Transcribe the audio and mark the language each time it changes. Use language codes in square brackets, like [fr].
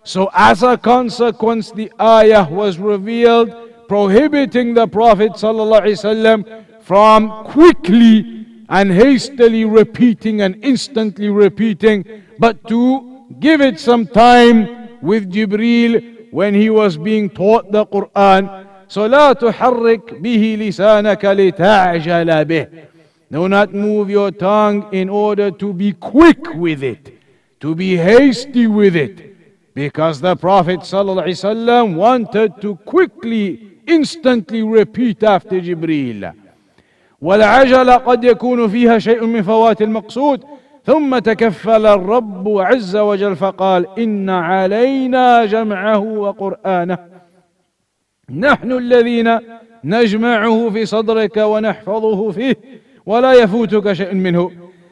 [en] So as a consequence, the ayah was revealed prohibiting the Prophet ﷺ from quickly and hastily repeating and instantly repeating, but to give it some time with Jibreel when he was being taught the Quran. [ar] So لا تحرك به لسانك لتعجل به. [en] Do not move your tongue in order to be quick with it, to be hasty with it. Because the Prophet ﷺ wanted to quickly, instantly repeat after Jibreel. [ar] وَالْعَجَلَ قَدْ يَكُونُ فِيهَا شَيْءٌ مِنْ فَوَاتِ الْمَقْصُودِ ثُمَّ تَكَفَّلَ الرَّبُّ عَزَّ وَجَلْ فَقَالَ إِنَّ عَلَيْنَا جَمْعَهُ وَقُرْآنَهُ نَحْنُ الَّذِينَ نَجْمَعُهُ فِي صَدْرِكَ وَنَحْفَظُهُ فِيهِ وَلَا يَفُوتُكَ شَيْءٌ مِنْهُ.